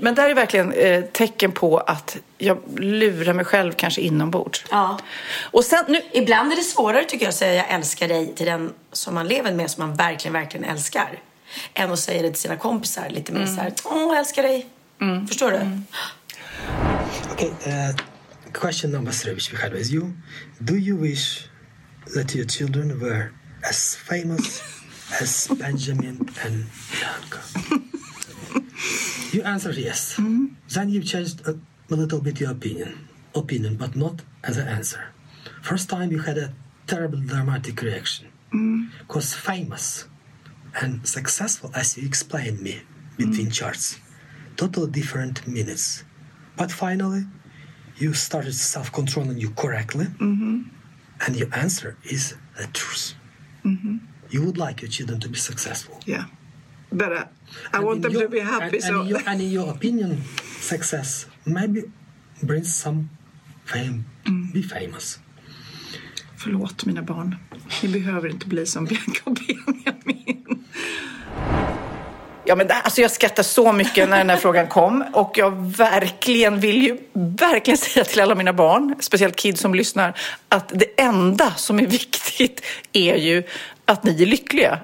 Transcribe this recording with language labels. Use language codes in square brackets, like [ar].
[sv] Men där är verkligen tecken på att jag lurar mig själv kanske inombords. Ja. Och sen, nu... Ibland är det svårare tycker jag att säga jag älskar dig till den som man lever med. Som man verkligen, verkligen älskar. Än att säga det till sina kompisar lite mer så här. Åh, jag älskar dig. Mm. Förstår du? Mm. [en] Okej, okay, question number three which we had with you. Do you wish that your children were as famous as Benjamin and Bianca? You answered yes. Mm-hmm. Then you've changed a little bit your opinion, but not as an answer. First time you had a terrible dramatic reaction. Because famous and successful, as you explained me, between charts, totally different minutes. But finally, you started self-controlling you correctly, and your answer is the truth. You would like your children to be successful. Yeah. But I want them to be happy. And in your opinion, success maybe brings some fame, be famous. [sv] Förlåt, mina barn. Ni behöver inte bli som Bianca och Benjamin. Ja, men det, alltså jag skrattar så mycket när den här frågan kom. Och jag verkligen vill ju verkligen säga till alla mina barn, speciellt kids som lyssnar, att det enda som är viktigt är ju att ni är lyckliga.